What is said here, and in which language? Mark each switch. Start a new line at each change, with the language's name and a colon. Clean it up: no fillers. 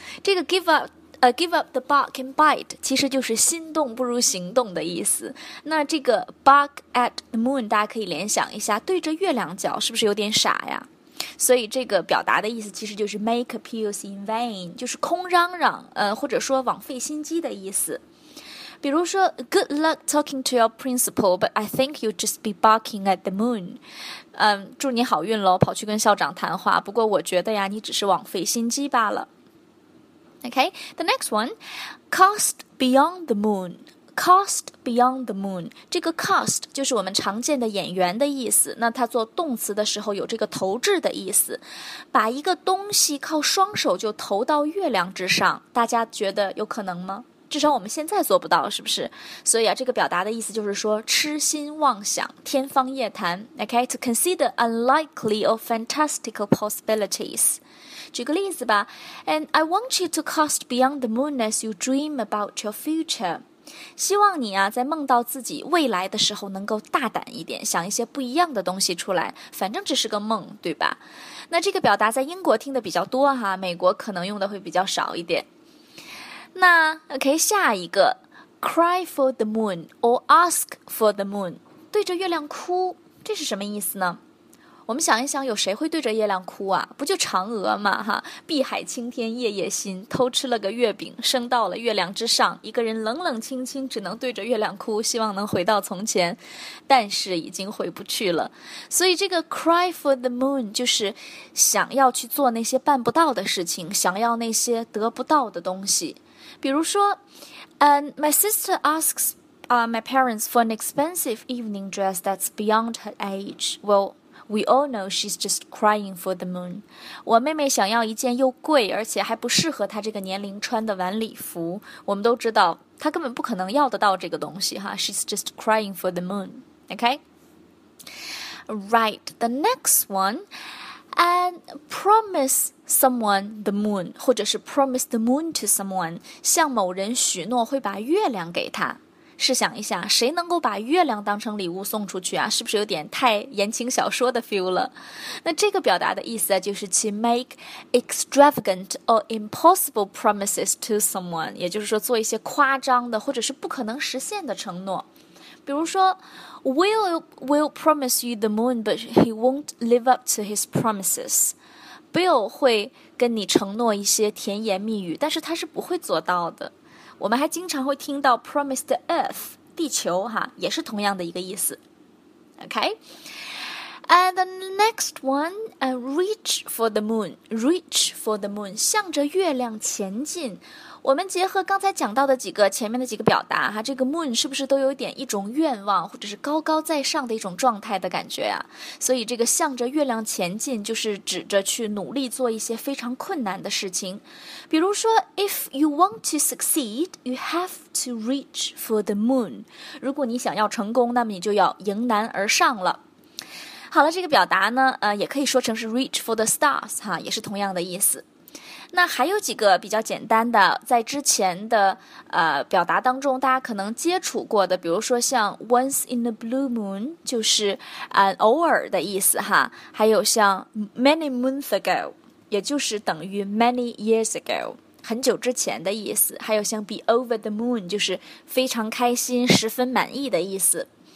Chinese: 这个 give up the bark and bite 其实就是心动不如行动的意思。那这个 bark at the moon 大家可以联想一下，对着月亮叫是不是有点傻呀？所以这个表达的意思其实就是
English: make appeals in vain，
Chinese: 就是空嚷嚷，或者说枉费心机的意思。
English: 比如说 good luck talking to your principal but I think you'll just be barking at the moon，
Chinese: 祝你好运咯，跑去跟校长谈话，不过我觉得呀你只是枉费心机罢了。
English: Okay, the next one, cast beyond the moon,
Chinese: cast beyond the moon, 这个 cast 就是我们常见的演员的意思，那它做动词的时候有这个投掷的意思，把一个东西靠双手就投到月亮之上，大家觉得有可能吗？至少我们现在做不到，是不是？所以啊，这个表达的意思就是说痴心妄想，天方夜谭。
English: Okay, to consider unlikely or fantastical possibilities。
Chinese: 举个例子吧，
English: And I want you to cast beyond the moon as you dream about your future，
Chinese: 希望你啊在梦到自己未来的时候能够大胆一点，想一些不一样的东西出来，反正只是个梦对吧。那这个表达在英国听的比较多哈，美国可能用的会比较少一点。那 OK， 下一个 cry for the moon or ask for the moon， 对着月亮哭，这是什么意思呢？我们想一想，有谁会对着月亮哭啊？不就嫦娥吗？哈，碧海青天夜夜心，偷吃了个月饼，升到了月亮之上，一个人冷冷清清，只能对着月亮哭，希望能回到从前，但是已经回不去了。所以这个 cry for the moon 就是想要去做那些办不到的事情，想要那些得不到的东西。比如说
English: my sister asks my parents for an expensive evening dress that's beyond her age. Well,We all know she's just crying for the moon.
Chinese: 我妹妹想要一件又贵而且还不适合她这个年龄穿的晚礼服。我们都知道她根本不可能要得到这个东西哈。
English: She's just crying for the moon. Okay? Right, the next one. And promise someone the moon. 或者是 promise the moon to someone.
Chinese: 向某人许诺会把月亮给他。试想一下，谁能够把月亮当成礼物送出去啊？是不是有点太言情小说的 feel 了？那这个表达的意思啊，就是
English: to make extravagant or impossible promises to someone，
Chinese: 也就是说做一些夸张的或者是不可能实现的承诺。比如说
English: Will promise you the moon but he won't live up to his promises，
Chinese: Bill 会跟你承诺一些甜言蜜语，但是他是不会做到的。我们还经常会听到 promise the earth， 地球哈，也是同样的一个意思。OK，
English: And the next one, reach for the moon. Reach for the moon,
Chinese: 向着月亮前进。我们结合刚才讲到的几个前面的几个表达哈，这个 moon 是不是都有点一种愿望或者是高高在上的一种状态的感觉啊？所以这个向着月亮前进就是指着去努力做一些非常困难的事情。
English: 比如说 If you want to succeed, you have to reach for the moon.
Chinese: 如果你想要成功，那么你就要迎难而上了。好了，这个表达呢，也可以说成是 reach for the stars 哈，也是同样的意思。那还有几个比较简单的，在之前的表达当中，大家可能接触过的，比如说像 once in a blue moon 就是偶尔的意思哈，还有像 many moons ago 也就是等于 many years ago 很久之前的意思，还有像 be over the moon 就是非常开心、十分满意的意思。